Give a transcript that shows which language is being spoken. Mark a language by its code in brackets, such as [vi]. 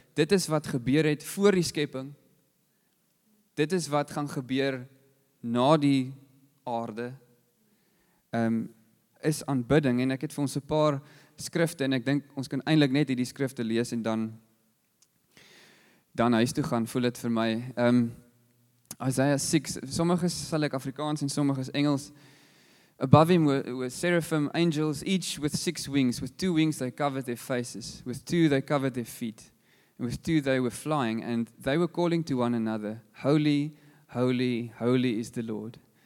[af] Dit is wat gebeur het voor die skepping. Dit is wat gaan gebeur na die aarde. Is aanbidding. En ek het vir ons 'n paar skrifte, en ek dink ons kan eintlik net hierdie skrifte lees en dan huis toe gaan, voel dit vir my. Isaiah 6, sommiges sal ek Afrikaans en sommiges Engels. [en] Above him were seraphim angels, each with six wings. With two wings they covered their faces. With two they covered their feet. and with two they were flying, and they were calling to one another, "Holy, holy, holy is the Lord.